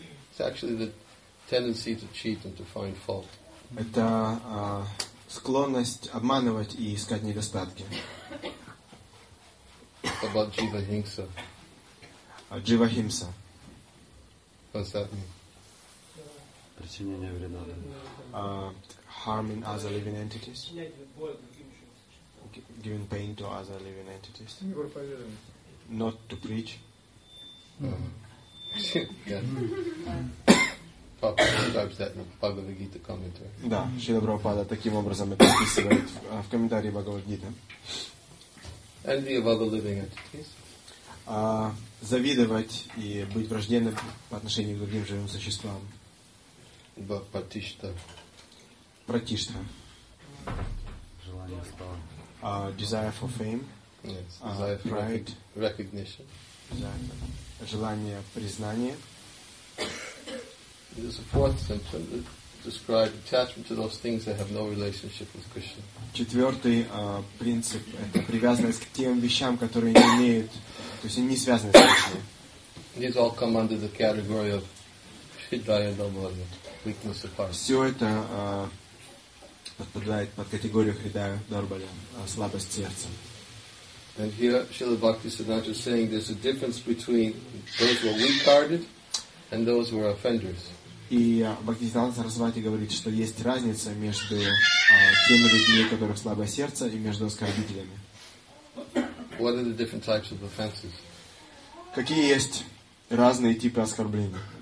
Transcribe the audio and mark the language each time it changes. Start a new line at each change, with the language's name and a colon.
English: It's actually the tendency to cheat and to find fault.
Russian: Это склонность обманывать и искать недостатки.
English: About jiva himsa. Jiva himsa. What's that mean?
Russian: Причинение вреда.
English: Harming other living entities. Giving pain to other living entities. Not to preach. Papa describes that in the Bhagavad Gita commentary.
Russian: Да, Шрила Прабхупада таким образом это описывает в комментарии Бхагавад Гиты.
English: Envy of other living entities.
Russian: Завидовать и быть враждебным по отношению к другим живым существам. Пратишта. Пратишта. Желание слава.
English: Desire for fame, yes. Desire for pride, recognition, desire.
Russian: Желание признания.
English: There's a fourth symptom that describes attachment to those things that have no relationship with Krishna.
Russian: Четвертый принцип – это привязанность к тем вещам, которые не имеют, то есть они не связаны с Кришной.
English: These all come under the category of Hridaya Daurbalya, weakness of heart.
Russian: Все это подпадает под категорию Хридая Даурбалья, слабость сердца.
English: And here Srila Bhaktisiddhanta is saying there's a difference between those who are weak-hearted and those who are offenders.
Russian: И Бхактисиддханта Сарасвати говорит, что есть разница между теми людьми, у которых слабое сердце, и между оскорбителями.
English: What are the different types of offenses?
Russian: Какие есть разные типы оскорблений?